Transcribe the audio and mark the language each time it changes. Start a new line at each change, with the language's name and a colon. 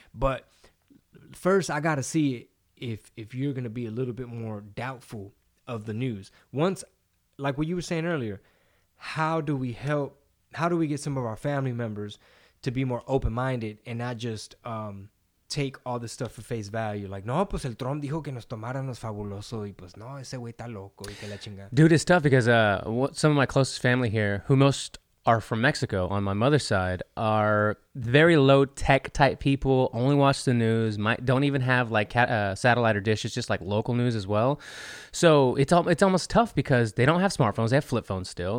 English: But first, I got to see if you're going to be a little bit more doubtful of the news. Once, like what you were saying earlier, how do we help? How do we get some of our family members to be more open-minded and not just take all this stuff for face value?
Spanish: Like, no, pues el Trump dijo que nos tomaran los fabuloso y pues no, ese güey está loco y que la chinga.
English: Dude, it's tough because some of my closest family here, who most are from Mexico on my mother's side, are very low tech type people, only watch the news, don't even have like satellite or dish. It's just like local news as well. So it's almost tough because they don't have smartphones. They have flip phones still.